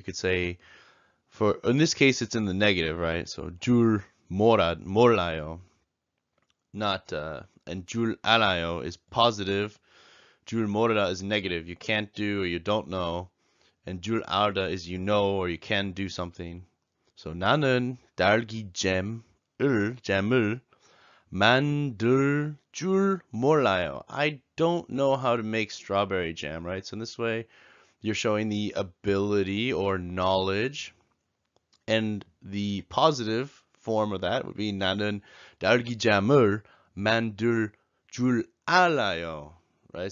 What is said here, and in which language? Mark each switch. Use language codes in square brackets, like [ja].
[en] You could say, for in this case, it's in the negative, right? So, [ko] 줄 몰라요, [en] not, and [ko] 줄 알아요 [en] is positive. [ko] 줄 모르다 [en] is negative. You can't do or you don't know. And [ko] 줄 알다 [en] is you know or you can do something. [ko] So, 나는 딸기 잼을 만들 줄 몰라요. [en] I don't know how to make strawberry jam, right? So, in this way, you're showing the ability or knowledge, and the positive form of that would be [ko] 나는 딸기잼을 만들 줄 알아요, [en] right?